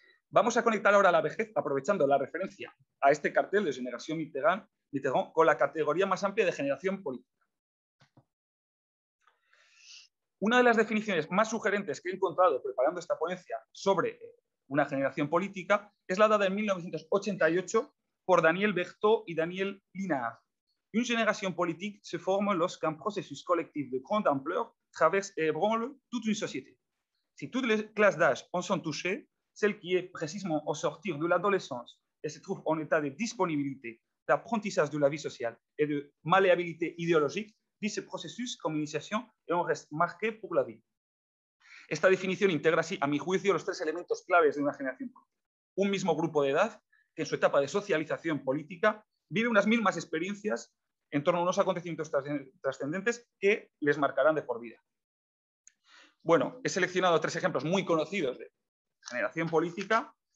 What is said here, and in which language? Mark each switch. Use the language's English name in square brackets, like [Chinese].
[Spanish] Vamos a conectar ahora la vejez, aprovechando la referencia a este cartel de Generación Mitterrand, con la categoría más amplia de generación política. Una de las definiciones más sugerentes que he encontrado preparando esta ponencia sobre una generación política es la dada en 1988 por Daniel Berthaud y Daniel Linard. [French] Une génération politique se forme lorsqu'un processus collectif de grande ampleur traverse et ébranle toute une société. Si toutes les classes d'âge en sont touchées, celle qui est précisément au sortir de l'adolescence et se trouve en état de disponibilité, d'apprentissage de la vie sociale et de malléabilité idéologique, dit ce processus comme initiation et on reste marqué pour la vie. [Spanish] Esta definición integra así, a mi juicio, los tres elementos claves de una generación política. Un mismo grupo de edad, que en su etapa de socialización política, vive unas mismas experiencias en torno a unos acontecimientos trascendentes que les marcarán de por vida. Bueno, he seleccionado tres ejemplos muy conocidos de generación política.